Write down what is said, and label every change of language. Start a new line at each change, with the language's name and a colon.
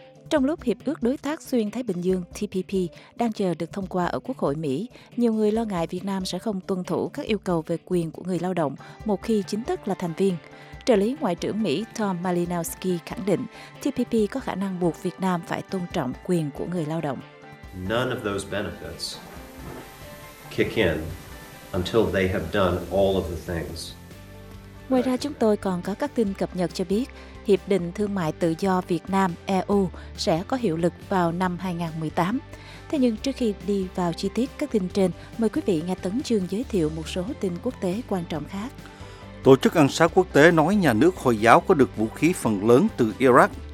Vietnamese: Trong lúc Hiệp ước Đối tác Xuyên Thái Bình Dương TPP đang chờ được thông qua ở Quốc hội Mỹ, nhiều người lo ngại Việt Nam sẽ không tuân thủ các yêu cầu về quyền của người lao động một khi chính thức là thành viên. Trợ lý Ngoại trưởng Mỹ Tom Malinowski khẳng định TPP có khả năng buộc Việt Nam phải tôn trọng quyền của người lao động.
English: None of those benefits kick in until they have done all of the things.
Vietnamese: Ngoài ra, chúng tôi còn có các tin cập nhật cho biết Hiệp định Thương mại Tự do Việt Nam EU sẽ có hiệu lực vào năm 2018. Thế nhưng trước khi đi vào chi tiết các tin trên, mời quý vị nghe Tấn Chương giới thiệu một số tin quốc tế quan trọng khác. Tổ chức ăn xá quốc tế nói nhà nước Hồi giáo có được vũ khí phần lớn từ Iraq.